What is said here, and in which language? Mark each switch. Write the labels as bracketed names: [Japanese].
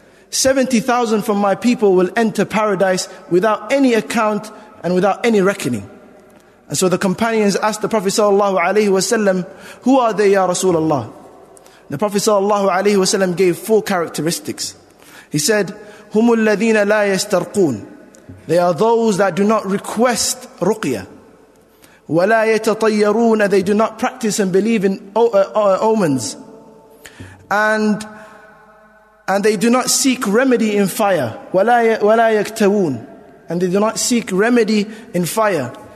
[English] 70,000 from my people will enter paradise without any account and without any reckoning. And so the companions asked the Prophet sallallahu alayhi wasallam, who are they, ya Rasulullah? The Prophet sallallahu alayhi wasallam gave four characteristics. He said, [Arabic] هم الذين لا يسترقون. [English] They are those that do not request ruqya. [Arabic] وَلَا يَتَطَيَّرُونَ. [English] They do not practice and believe in omens. And they do not seek remedy in fire. [Arabic] وَلَا يَكْتَوُونَ. [English] And they do not seek remedy in fire.